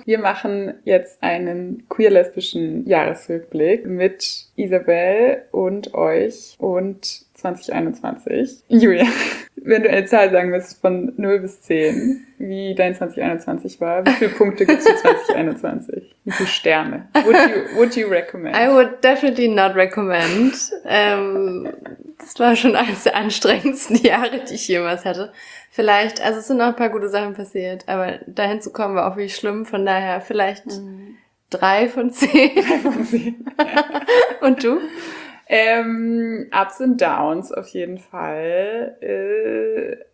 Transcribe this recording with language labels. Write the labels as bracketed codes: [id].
[de] Wir machen jetzt einen queer-lesbischen Jahresrückblick mit Isabel und euch und 2021. Julia, wenn du eine Zahl sagen willst von 0 bis 10, wie dein 2021 war, wie viele Punkte gibt es für 2021? Wie viele Sterne? [en] Would you recommend? I would definitely not recommend. [de] Das war schon eines der anstrengendsten Jahre, die ich jemals hatte. Vielleicht, also es sind noch ein paar gute Sachen passiert, aber dahin zu kommen war auch wirklich schlimm, von daher vielleicht 3 von 10. Und du? Ups and Downs auf jeden Fall.